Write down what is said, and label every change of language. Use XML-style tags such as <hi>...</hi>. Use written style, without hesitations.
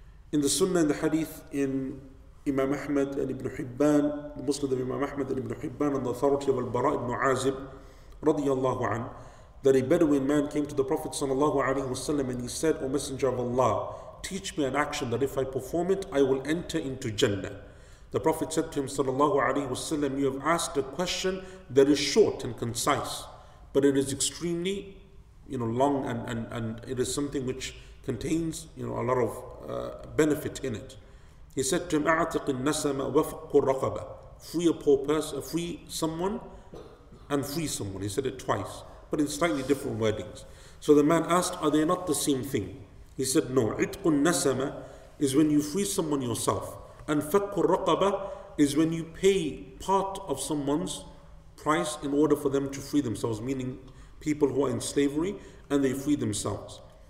<en>In the Sunnah and the Hadith, in Imam Ahmad and Ibn Hibban, the Muslim of Imam Ahmad and Ibn Hibban, and the authority of Al-Bara ibn Azib, radiyallahu anhu, that a Bedouin man came to the Prophet sallallahu alaihi wasallam and he said, O Messenger of Allah, teach me an action that if I perform it, I will enter into Jannah. The Prophet said to him sallallahu alaihi wasallam, you have asked a question that is short and concise, but it is extremely, you know, long and it is something which contains, you know, a lot of benefit in it. He said to him,</en> <ar>أعتق النسمة وفق الرقبة.</ar> <en>Free a poor person, free someone and free someone. He said it twice, but in slightly different wordings. So the man asked, are they not the same thing? He said, no. عِتْقُ النَّسَمَ is when you free someone yourself. And فَكُّ الرَّقَبَ is when you pay part of someone's price in order for them to free themselves, meaning people who are in slavery, and they free themselves.</en>